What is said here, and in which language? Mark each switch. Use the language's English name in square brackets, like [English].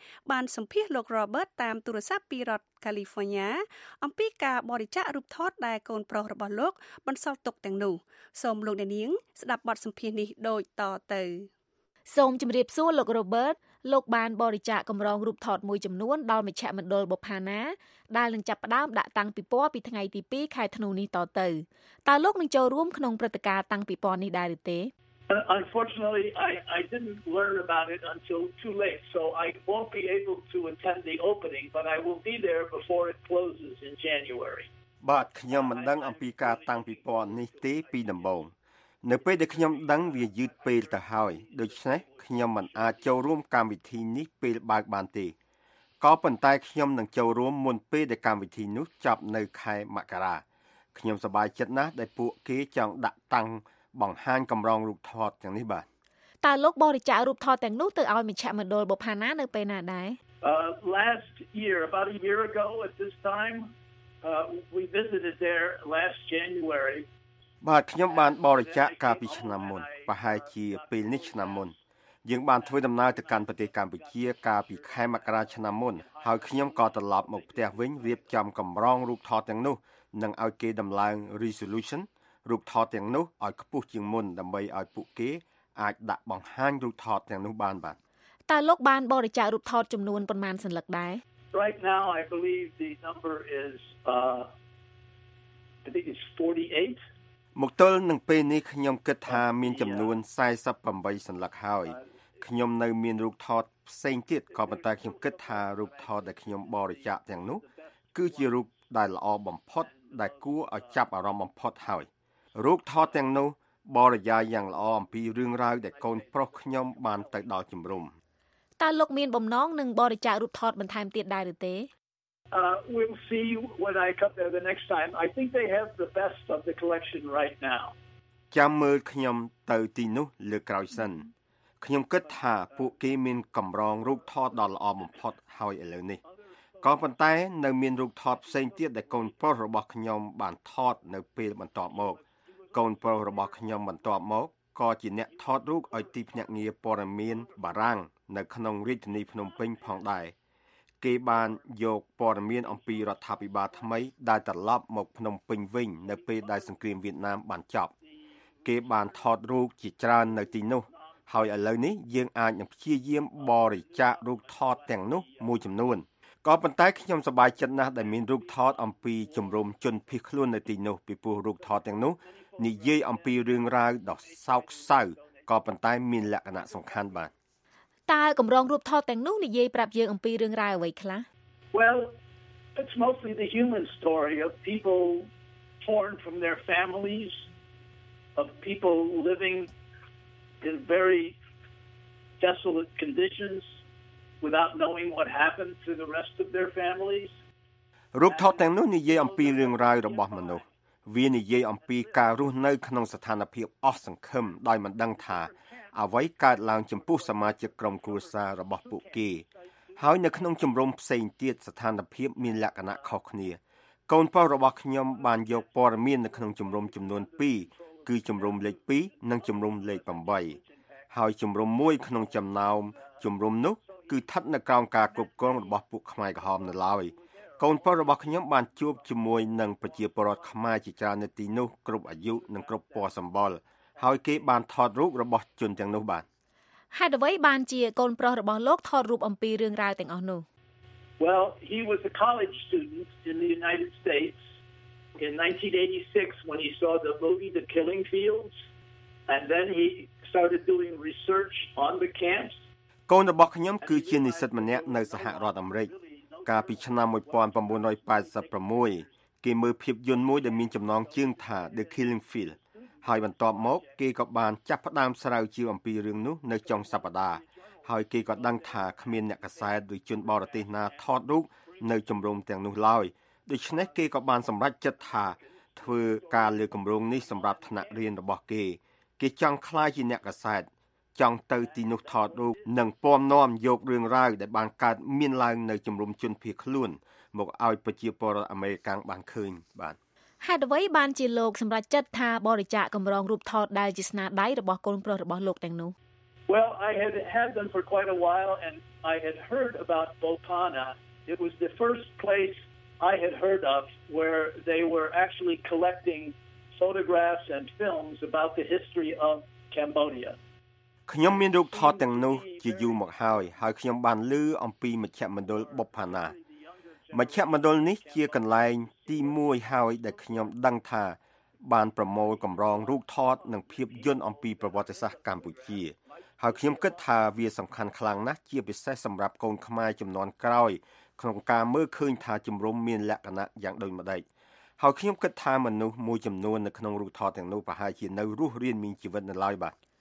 [Khmer] បានសម្ភាសលោក Robert តាមទូរស័ព្ទពីរដ្ឋ California អំពីការបរិច្ចាគរូបថតដែលកូនប្រុសរបស់លោកបានសល់ទុកទាំងនោះសូមលោកអ្នកនាងស្ដាប់បទសម្ភាសនេះដូចតទៅ សូមជម្រាបសួរលោក Robert លោកបានបរិច្ចាគកម្រងរូបថតមួយចំនួនដល់មជ្ឈមណ្ឌលបុប្ផាណាដែលនឹងចាប់ផ្ដើមដាក់តាំងពិព័រណ៍ពីថ្ងៃទី2ខែធ្នូនេះតទៅតើលោកនឹងចូលរួមក្នុងព្រឹត្តិការណ៍តាំងពិព័រណ៍នេះដែរឬទេ [English] Unfortunately, I didn't learn about it until too late, so I won't be able to attend the opening, but I will be there before it closes in January. [Khmer] បាទខ្ញុំមិនដឹងអំពីការតាំងពិព័រណ៍នេះទេពីដំបូងនៅពេលដែលខ្ញុំដឹងវាយឺតពេលទៅហើយដូច្នេះខ្ញុំមិនអាចចូលរួមកម្មវិធីនេះពេលបើកបានទេក៏ប៉ុន្តែខ្ញុំនឹងចូលរួមមុនពេលដែលកម្មវិធីនោះចាប់នៅខែមករាខ្ញុំសប្បាយចិត្តណាស់ដែលពួកគេចង់ដាក់តាំងបង្ហាញកម្រងរូបថតទាំងនេះបាទ តើលោកបរិច្ចាគរូបថតទាំងនោះទៅឲ្យមជ្ឈមណ្ឌលបុប្ផាណានៅពេលណាដែរ [English] Last year about a year ago at this time we visited there last January [Khmer] បាទខ្ញុំបានបរិច្ចាគកាលពីឆ្នាំមុនប្រហែលជាពេលនេះឆ្នាំមុនយើងបានធ្វើដំណើរទៅកាន់ប្រទេសកម្ពុជាកាលពីខែមករាឆ្នាំមុនហើយខ្ញុំក៏ត្រឡប់មកផ្ទះវិញរៀបចំកម្រងរូបថតទាំងនោះនឹងឲ្យគេដំឡើង resolution រូបថតទាំងនោះឲ្យខ្ពស់ជាងមុនដើម្បីឲ្យពួកគេអាចដាក់បង្ហាញរូបថតទាំងនោះបានបាទ តើលោកបានបរិច្ចាគរូបថតចំនួនប៉ុន្មានសន្លឹកដែរ [English] Right now I believe the number is I think it's 48 [Khmer] មកទល់នឹងពេលនេះខ្ញុំគិតថាមានចំនួន48សន្លឹកហើយខ្ញុំនៅមានរូបថតផ្សេងទៀតក៏ប៉ុន្តែខ្ញុំគិតថារូបថតដែលខ្ញុំបរិច្ចាគទាំងនោះគឺជារូបដែលល្អបំផុតដែលគួរឲ្យចាប់អារម្មណ៍បំផុតហើយរូបថតទាំងនោះបរិយាយយ៉ាងល្អអំពីរឿងរ៉ាវដែលកូនប្រុសខ្ញុំបានទៅដល់ជំរំ តើលោកមានបំណងនឹងបរិច្ចាគរូបថតបន្ថែមទៀតដែរឬទេ [English] We'll see when I come there the next time. I think they have the best of the collection right now. [Khmer] ចាំមើលខ្ញុំទៅទីនោះលើក្រោយសិនខ្ញុំគិតថាពួកគេមានកម្រងរូបថតដ៏ល្អបំផុតហើយឥឡូវនេះក៏ប៉ុន្តែនៅមានរូបថតផ្សេងទៀតដែលកូនប្រុសរបស់ខ្ញុំបានថតនៅពេលបន្ទាប់មកកូនប្រុសរបស់ខ្ញុំបន្ទាប់មកក៏ជាអ្នកថតរូបឲ្យទីភ្នាក់ងារព័ត៌មានបារាំងនៅក្នុងរាជធានីភ្នំពេញផងដែរ គេបានយកព័ត៌មានអំពីរដ្ឋាភិបាលថ្មីដែលត្រឡប់មកភ្នំពេញវិញនៅពេលដែលសង្គ្រាមវៀតណាមបានចប់គេបានថតរូបជាច្រើននៅទីនោះហើយឥឡូវនេះយើងអាចនឹងព្យាយាមបរិច្ចាគរូបថតទាំងនោះមួយចំនួនក៏ប៉ុន្តែខ្ញុំសប្បាយចិត្តណាស់ដែលមានរូបថតអំពីជំរំជនភៀសខ្លួននៅទីនោះពីព្រោះរូបថតទាំងនោះនិយាយអំពីរឿងរ៉ាវដ៏សោកសៅក៏ប៉ុន្តែមានលក្ខណៈសំខាន់បាទ តើកម្រងរូបថតទាំងនោះនិយាយប្រាប់យើងអំពីរឿងរ៉ាវអ្វីខ្លះ [English] Well it's mostly the human story of people torn from their families of people living in very desolate conditions without knowing what happened to the rest of their families [Khmer] រូបថតទាំងនោះនិយាយអំពីរឿងរ៉ាវរបស់មនុស្សវានិយាយអំពីការរស់នៅក្នុងស្ថានភាពអស់សង្ឃឹមដោយមិនដឹងថាអ្វីកើតឡើងចំពោះសមាជិកក្រុមគ្រួសាររបស់ពួកគេ ហើយនៅក្នុងជំរំផ្សេងទៀតស្ថានភាពមានលក្ខណៈខុសគ្នាកូនប្រុសរបស់ខ្ញុំបានយកព័ត៌មាននៅក្នុងជំរំចំនួន2គឺជំរំលេខ2និងជំរំលេខ8ហើយជំរំមួយក្នុងចំណោមជំរំនោះគឺស្ថិតនៅក្រោមការគ្រប់គ្រងរបស់ពួកខ្មែរក្រហមនៅឡើយកូនប្រុសរបស់ខ្ញុំបានជួបជាមួយនឹងប្រជាពលរដ្ឋខ្មែរជាច្រើននៅទីនោះគ្រប់អាយុនិងគ្រប់ពណ៌សម្បុរហើយគេបានថតរូបរបស់ជនទាំងនោះបាទ ហេតុអ្វីបានជាកូនប្រុសរបស់លោកថតរូបអំពីរឿងរ៉ាវទាំងអស់នោះ [English] Well he was a college student in the United States in 1986 when he saw the movie The Killing Fields and then he started doing research on the camps [Khmer] កូនរបស់ខ្ញុំគឺជានិស្សិតម្នាក់នៅសហរដ្ឋអាមេរិកកាលពីឆ្នាំ1986គេមើលភាពយន្តមួយដែលមានចំណងជើងថា The Killing Field ហើយបន្ទាប់មកគេក៏បានចាប់ផ្ដើមស្រាវជ្រាវអំពីរឿងនោះនៅចុងសប្តាហ៍ហើយគេក៏ដឹងថាគ្មានអ្នកកសែតឬជនបរទេសណាថតរូបនៅជំរំទាំងនោះឡើយដូច្នេះគេក៏បានសម្រេចចិត្តថា ធ្វើការលើកម្រងនេះសម្រាប់ថ្នាក់រៀនរបស់គេគេចង់ខ្លាយជាអ្នកកសែតចង់ទៅទីនោះថតរូបនិងពំនាំយករឿងរ៉ាវដែលបានកើតមានឡើងនៅជំរំជនភៀសខ្លួនមកឲ្យប្រជាពលរដ្ឋអាមេរិកបានឃើញបាទ ហេតុអ្វីបានជាលោកសម្រេចចិត្តថាបរិច្ចាគកម្រងរូបថតដែលជាស្នាដៃរបស់កូនប្រុសរបស់លោកទាំងនោះ [English] Well I had had them for quite a while and I had heard about Bopana it was the first place I had heard of where they were actually collecting photographs and films about the history of Cambodia [Khmer] ខ្ញុំមានរូបថតទាំងនោះជាយូរមកហើយហើយខ្ញុំបានឮអំពីមជ្ឈមណ្ឌលបុប្ផាណាមជ្ឈមណ្ឌលនេះជាកន្លែងទី1ហើយដែលខ្ញុំដឹងថាបានប្រមូលកម្រងរូបថតនិងភាពយន្តអំពីប្រវត្តិសាស្ត្រកម្ពុជាហើយខ្ញុំគិតថាវាសំខាន់ខ្លាំងណាស់ជាពិសេសសម្រាប់កូនខ្មែរជំនាន់ក្រោយក្នុងការមើលឃើញថាជំរំមានលក្ខណៈយ៉ាងដូចម្តេចហើយខ្ញុំគិតថាមនុស្សមួយចំនួននៅក្នុងរូបថតទាំងនោះប្រហែលជានៅរស់រានមានជីវិតនៅឡើយបាទ